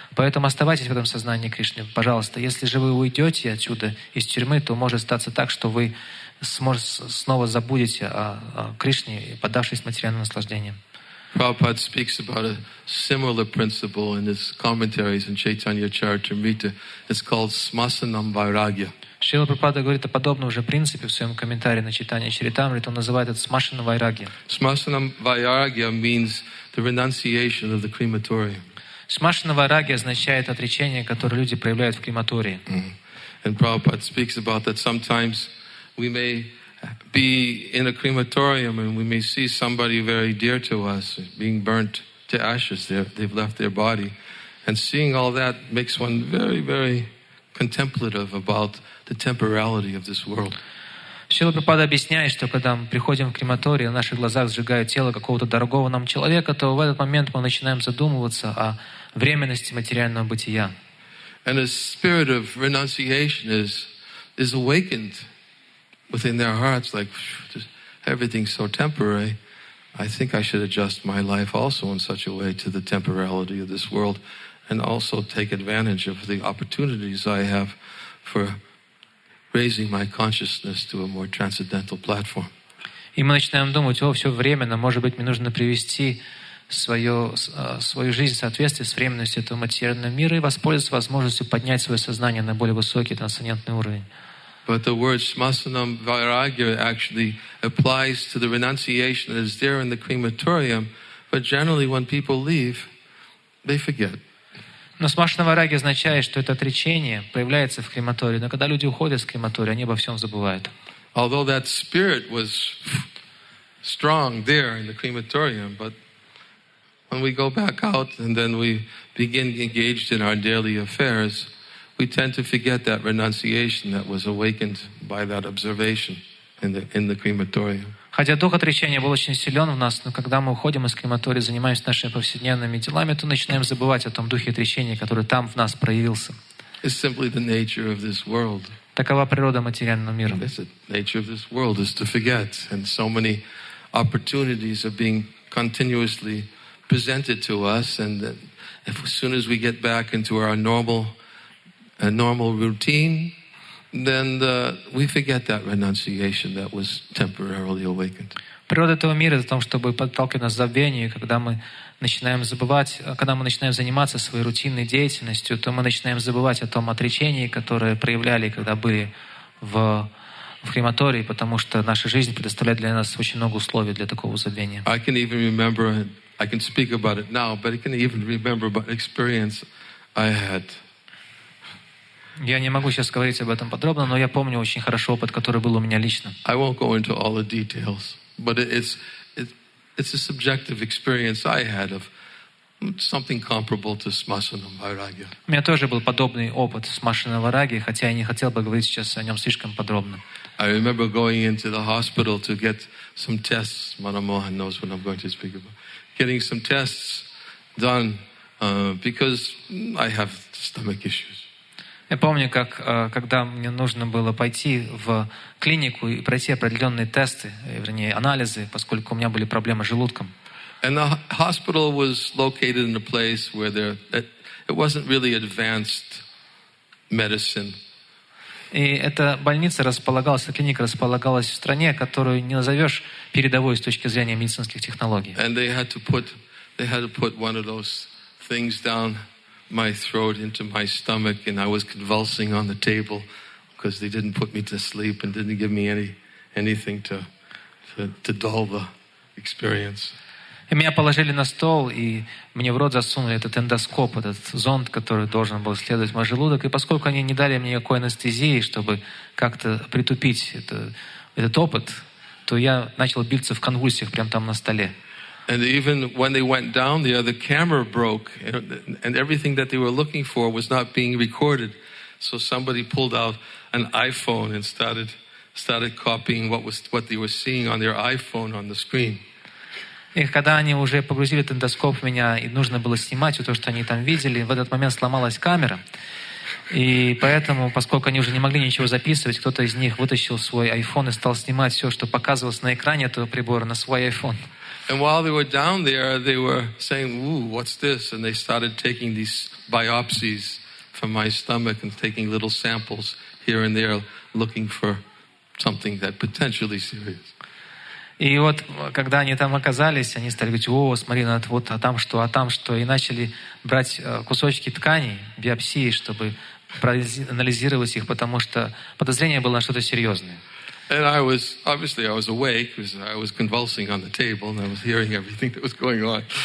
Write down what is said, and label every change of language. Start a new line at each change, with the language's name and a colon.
Russian: Поэтому оставайтесь в этом сознании Кришны, пожалуйста. Если же вы уйдете отсюда, из тюрьмы, то может статься так, что вы снова забудете о Кришне, поддавшись материальным наслаждениям.
English: Prabhupada speaks about a similar principle in his commentaries in Chaitanya Charitamrita. It's called smasanam vairagya.
Russian: Шрила Прабхупада говорит о подобном уже принципе в своем комментарии на Чайтанья Чаритамриту. Он называет это смасанам вайрагья.
English: Smasanam vairagya means the renunciation of the crematory.
Russian: Смасанам вайрагья означает отречение, которое люди проявляют в крематории.
English: And Prabhupada speaks about that sometimes we may be in a crematorium and we may see somebody very dear to us being burnt to ashes. They've left their body. And seeing all that makes one very, very contemplative about the temporality of this world.
Russian: Шрила Прабхупада объясняет, что когда мы приходим в крематорий, на наших глазах сжигают тело какого-то дорогого нам человека, то в этот момент мы начинаем задумываться о временности материального бытия.
English: And a spirit of renunciation is awakened within their hearts, like everything's so temporary, I think I should adjust my life also in such a way to the temporality of this world and also take advantage of the opportunities I have for raising my consciousness to a more transcendental platform.
Russian: И мы начинаем думать, о, все временно, может быть, мне нужно привести свою жизнь в соответствии с временностью этого материального мира и воспользоваться возможностью поднять свое сознание на более высокий трансцендентный уровень.
English: But the word smasanam vairagya actually applies to the renunciation that is there in the crematorium, but generally when people leave, they forget.
Russian: Но смашана вараги означает, что это отречение появляется в крематории, но когда люди уходят из крематория, они обо всем забывают.
English: Although that spirit was strong there in the crematorium, but when we go back out and then we begin engaged in our daily affairs, we tend to forget that renunciation that was awakened by that observation in the crematorium.
Russian: Хотя дух отречения был очень силен в нас, но когда мы уходим из крематория, занимаемся нашими повседневными делами, то начинаем забывать о том духе отречения, который там в нас проявился.
English: It's simply the nature of this world.
Russian: Такова природа материального мира.
English: It's the nature of this world is to forget, and so many opportunities are being continuously presented to us, and if, as soon as we get back into our normal routine, then we forget that renunciation that was temporarily awakened.
Russian: Природа этого мира в том, чтобы подталкивать нас к забвению, когда мы начинаем забывать, когда мы начинаем заниматься своей рутинной деятельностью, то мы начинаем забывать о том отречении, которое проявляли, когда были в крематории, потому что наша жизнь предоставляет для нас очень много условий для такого забвения.
English: I can even remember, I can speak about it now, but I can even remember about an experience I had.
Russian: Я не могу сейчас говорить об этом подробно, но я помню очень хорошо опыт, который был у меня лично.
English: I won't go into all the details, but it's a subjective experience I had of something comparable to smashanam vairagya.
Russian: У меня тоже был подобный опыт смашанам вараги, хотя я не хотел бы говорить сейчас о нем слишком подробно.
English: I remember going into the hospital to get some tests. Manamohan knows what I'm going to speak about. Getting some tests done because I have stomach issues.
Russian: Я помню, как когда мне нужно было пойти в клинику и пройти определенные тесты, вернее, анализы, поскольку у меня были проблемы с желудком.
English: And the hospital was located in a place where it wasn't really advanced medicine.
Russian: И эта больница располагалась, эта клиника располагалась в стране, которую не назовешь передовой с точки зрения медицинских технологий.
English: And they had to put one of those things down my throat into my stomach, and I was convulsing on the table because they didn't put me to sleep and didn't give me anything to dull the experience.
Russian: И меня положили на стол, и мне в рот засунули этот эндоскоп, этот зонд, который должен был исследовать мой желудок. И поскольку они не дали мне никакой анестезии, чтобы как-то притупить этот опыт, то я начал биться в конвульсиях прямо там на столе.
English: And even when they went down there, the camera broke, and everything that they were looking for was not being recorded. So somebody pulled out an iPhone and started copying what they were seeing on their iPhone on the screen.
Russian: И когда они уже погрузили эндоскоп в меня, и нужно было снимать то, что они там видели, в этот момент сломалась камера. И поэтому, поскольку они уже не могли ничего записывать, кто-то из них вытащил свой iPhone и стал снимать все, что показывалось на экране этого прибора, на свой iPhone.
English: And while they were down there, they were saying, ooh, what's this? And they started taking these biopsies from my stomach and taking little samples here and there, looking for something that potentially serious.
Russian: И вот, когда они там оказались, они стали говорить, о, смотри, ну, вот, а там что, и начали брать кусочки тканей, биопсии, чтобы проанализировать их, потому что подозрение было на что-то серьезное.
English: And I was, obviously, I was awake, because I was convulsing on the table, and I was hearing everything that was going on.